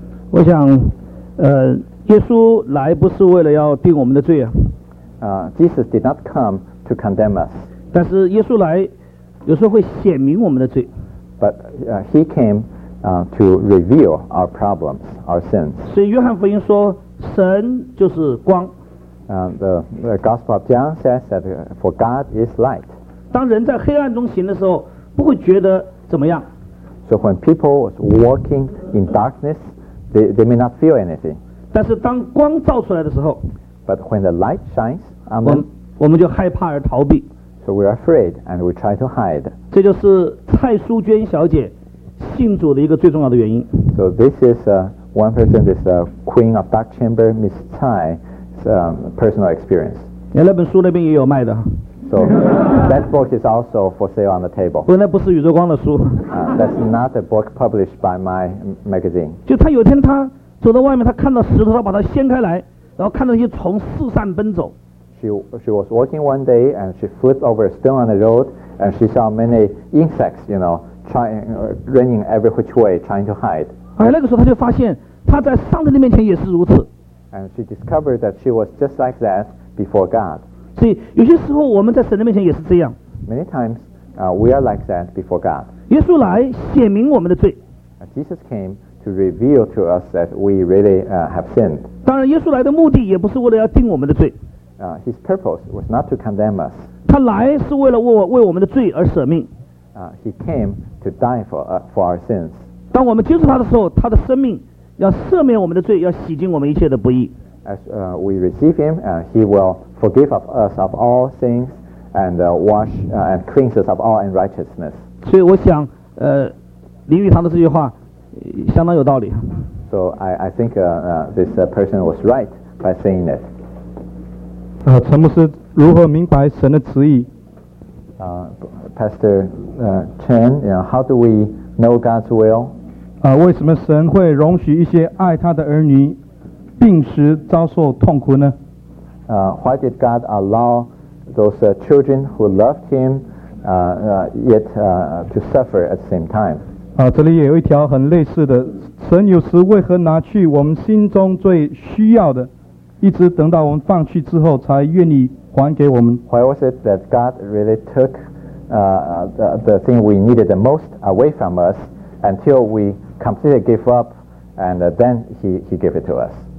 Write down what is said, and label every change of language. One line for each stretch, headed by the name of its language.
Chinese: 我想，耶稣来不是为了要定我们的罪啊。
English: Jesus did not come to condemn us.
Chinese: 但是耶稣来，有时候会显明我们的罪。
English: But he came to reveal our problems, our sins.
Chinese: 所以约翰福音说，神就是光。
English: The Gospel of John says that for God is light.
Chinese: 当人在黑暗中行的时候，不会觉得怎么样。
English: So when people was walking in darkness, they may not feel anything.
Chinese: 但是当光照出来的时候
English: ，But when the light shines,
Chinese: 我们就害怕而逃避。
English: So we're afraid and we try to hide.
Chinese: 这就是蔡淑娟小姐信主的一个最重要的原因。
English: So this is one person, this Queen of Dark Chamber, Miss Tsai. Personal experience.
Chinese: 那本书那边也有卖的。
English: So that book is also for sale on the table.
Chinese: 不，那不是宇宙光的书。
English: That's not a book published by my magazine.
Chinese: 就他有一天他走到外面，他看到石头，他把它掀开来，然后看到一些虫四散奔走。
English: She was walking one day and she flipped over a stone on the road and she saw many insects, you know, trying running every which way, trying to hide.
Chinese: 哎，那个时候他就发现他在上帝的面前也是如此。
English: And she discovered that she was just like that before God.
Chinese: 所以有些时候我们在神的面前也是这样。
English: Many times, we are like that before God.
Chinese: 耶稣来显明我们的罪。
English: Jesus came to reveal to us that we really have sinned.
Chinese: 当然，耶稣来的目的也不是为了要定我们的罪。
English: His purpose was not to condemn us.
Chinese: 他来是为了为我们的罪而舍命。
English: He came to die for our sins.
Chinese: 当我们接受他的时候，他的生命。要赦免我们的罪，要洗净我们一切的不义。
English: As we receive him, he will forgive of us of all sins and wash and cleanse us of all unrighteousness.
Chinese: 所以我想，林语堂的这句话相当有道理。
English: So I think this person was right by saying it.
Chinese: 陈牧师如何明白神的旨意？
English: Pastor Chen, you know, how do we know God's will?
Chinese: 为什么神会容许一些爱他的儿女病时遭受痛苦呢？
English: Why did God allow those children who loved him yet to suffer at the same time?
Chinese: 这里也有一条很类似的，神有时为何拿去我们心中最需要的，一直等到我们放弃之后才愿意还给我们？
English: Why was it that God really took the thing we needed the most away from us until we completely give up, and then he gave it to us.